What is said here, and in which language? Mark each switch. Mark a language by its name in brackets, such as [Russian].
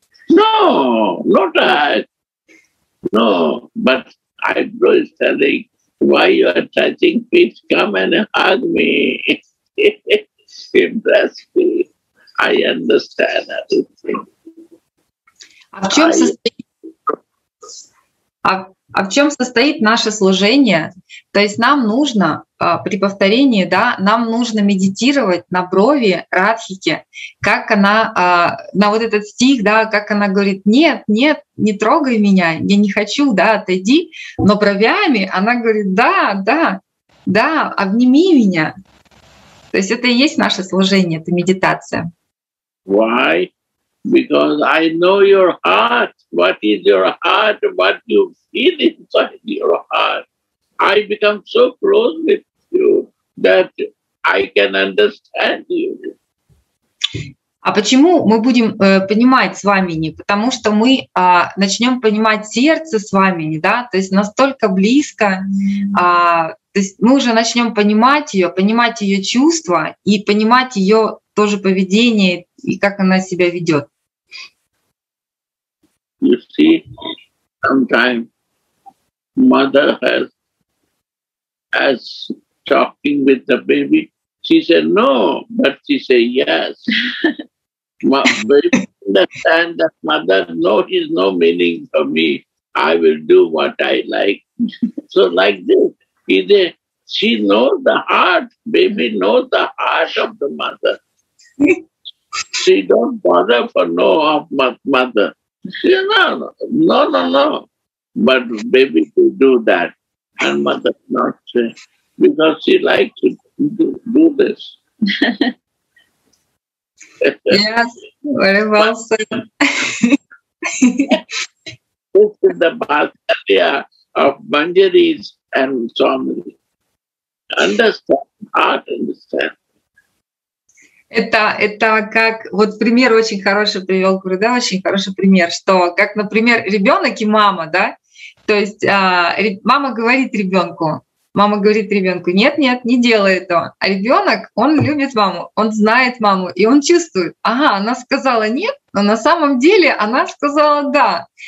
[English] No, not that. No, but eyebrow is telling, why you are touching, please come and hug me. Embrace me. I understand everything. [Russian] А в чем состоит наше служение? То есть нам нужно при повторении, да, нам нужно медитировать на брови Радхики, как она на вот этот стих, да, как она говорит: нет, нет, не трогай меня, я не хочу, да, отойди. Но бровями она говорит: да, да, да, обними меня. То есть это и есть наше служение, это медитация. [English] Why? Because I know your heart. What is your heart? What you feel inside your heart? I become so close with you that I can understand you. [Russian] А почему мы будем понимать свамини? Потому что мы начнем понимать сердце свамини, да? То есть настолько близко. То есть мы уже начнем понимать ее чувства и понимать ее тоже поведение и как она себя ведет. [English] You see, sometimes mother has talking with the baby. She said no, but she said yes. Baby understand that mother, no, he's no meaning for me. I will do what I like. So like this, she knows the heart. Baby knows the heart of the mother. She don't bother for no of mother. No. But baby to do that, and mother not say, because she likes to do this. Yes, very well said. This is the Bhaskarya of Manjari's and Swami. Understand, heart understand. [Russian] Это как, вот пример очень хороший привел, говорю, да, очень хороший пример, что как, например, ребенок и мама, да, то есть мама говорит ребенку, нет, не делай этого, а ребенок, он любит маму, он знает маму, и он чувствует, ага, она сказала нет, но на самом деле она сказала да.